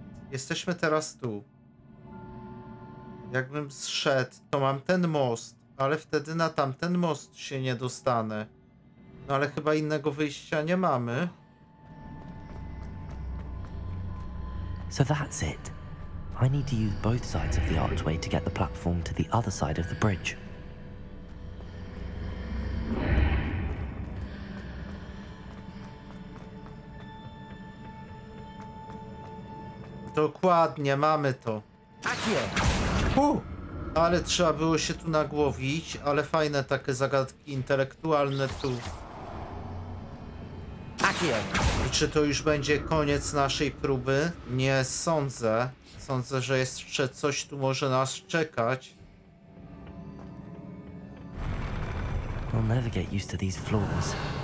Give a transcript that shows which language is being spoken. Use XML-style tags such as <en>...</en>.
<pl>Jesteśmy teraz tu. Jakbym zszedł, to mam ten most, ale wtedy na tamten most się nie dostanę. No ale chyba innego wyjścia nie mamy.</pl> <en>So that's it. I need to use both sides of the archway to get the platform to the other side of the bridge.</en> <pl>Dokładnie, mamy to. Ale trzeba było się tu nagłowić, ale fajne takie zagadki intelektualne tu. I czy to już będzie koniec naszej próby? Nie sądzę. Sądzę, że jeszcze coś tu może nas czekać.</pl> <en>We'll never get used to these floors.</en>